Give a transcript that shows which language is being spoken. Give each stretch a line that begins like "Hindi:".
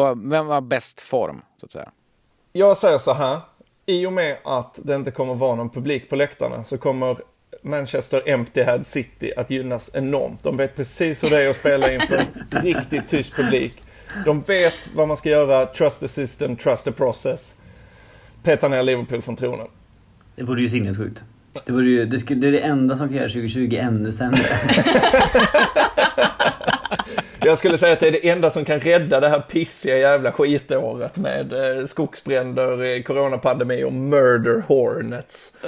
Swedish: Vem har bäst form, så att säga? Jag säger så här. I och med att det inte kommer vara någon publik på läktarna, så kommer Manchester Emptyhead City att gynnas enormt. De vet precis hur det är att spela inför en riktigt tyst publik. De vet vad man ska göra.
English: Trust the system, trust the process.
Swedish: Peta ner Liverpool från tronen. Det vore ju sinnessjukt. Det är det enda som kan göra 2020 ännu sämre. Jag skulle säga att det är det enda som kan rädda det här pissiga jävla skitåret med skogsbränder, coronapandemi och murder hornets.